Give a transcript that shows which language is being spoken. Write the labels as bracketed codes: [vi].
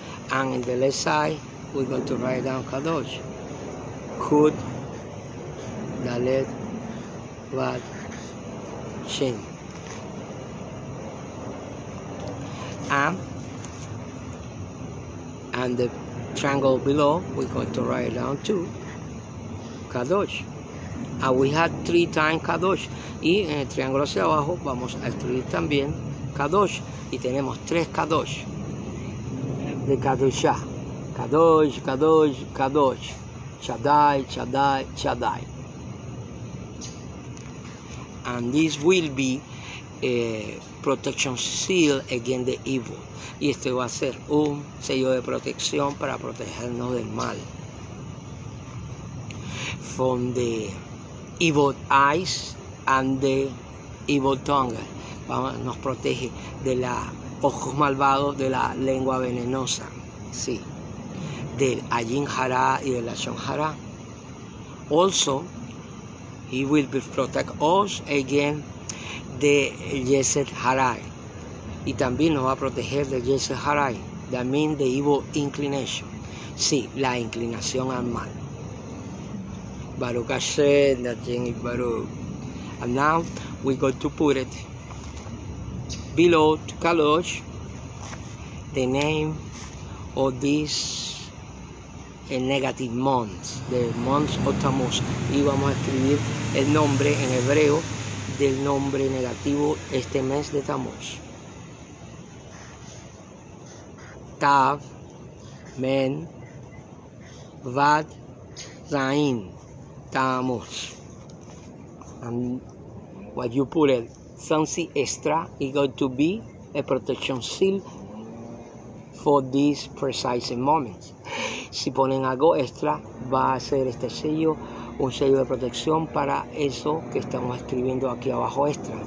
[en] And in the left side, we're going to write down Kadosh. Kut, Dalet, Vat, Shin. And the triangle below, we're going to write down too, Kadosh. And we had three times Kadosh. [es] Y en el triángulo hacia abajo vamos a escribir también Kadosh. Y tenemos tres Kadosh. De Kadosha. [he] Kadosh, Kadosh, Kadosh. Shaddai, Shaddai, Shaddai. [en] And this will be a protection seal against the evil. [es] Y esto va a ser un sello de protección para protegernos del mal. [en] From the evil eyes and the evil tongue. [es] Nos protege de los ojos malvados, de la lengua venenosa. Sí. Del Ayin Hara y del Lashon Hara. [en] Also, He will protect us against the Yeset Harai. [es] Y también nos va a proteger de Yeset Harai. [en] That means the evil inclination. [es] Sí, la inclinación al mal. [he] Baruch Hashem, Hashem y Baruch. [en] And now we go to put it below to Kadosh, the name of this negative months, the months of Tammuz. [es] Y vamos a escribir el nombre en hebreo del nombre negativo este mes de Tammuz. [he] Tav, Men, Vad, Zain, Tammuz. [en] And what you put it, something extra is going to be a protection seal for this precise moment. [es] Si ponen algo extra, va a ser este sello, un sello de protección para eso que estamos escribiendo aquí abajo extra.